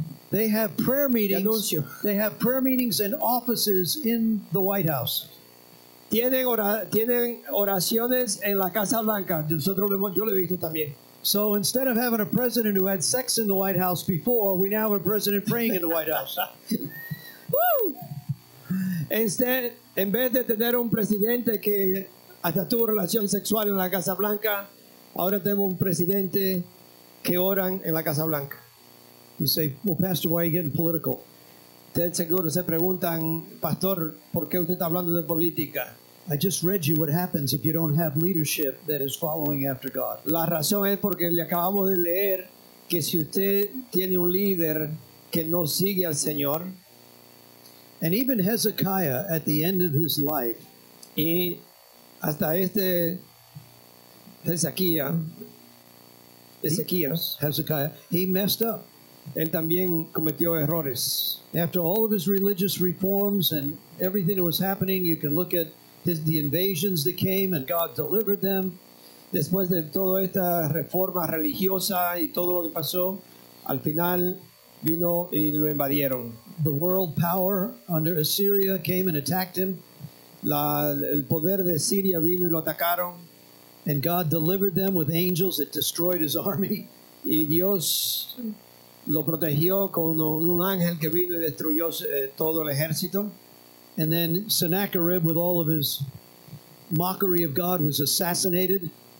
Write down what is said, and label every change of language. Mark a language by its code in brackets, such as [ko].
[en] they have prayer meetings. [es] Anuncio. [en] They have prayer meetings and offices in the White House. [es] Tienen oraciones en la Casa Blanca. Yo lo he visto también. [en] So instead of having a president who had sex in the White House before, we now have a president praying in the White House. Woo! [es] En vez de tener un presidente que hasta tuvo relación sexual en la Casa Blanca, ahora tenemos un presidente que oran en la Casa Blanca. [en] You say, well, Pastor, why are you getting political? [es] Ustedes seguro se preguntan, Pastor, ¿por qué usted está hablando de política? [en] I just read you what happens if you don't have leadership that is following after God. [es] La razón es porque le acabamos de leer que si usted tiene un líder que no sigue al Señor. [en] And even Hezekiah, at the end of his life, [es] y hasta este Ezequías, [en] Hezekiah, he messed up. [es] Él también cometió errores. [en] After all of his religious reforms and everything that was happening, you can look at the invasions that came and God delivered them. [es] Después de toda esta reforma religiosa y todo lo que pasó, al final vino y lo invadieron. [en] The world power under Assyria came and attacked him. [es] El poder de Siria vino y lo atacaron. [en] And God delivered them with angels that destroyed his army. [es] Y Dios lo protegió con un ángel que vino y destruyó todo el ejército. [en] And then Sennacherib, with all of his mockery of God, was assassinated.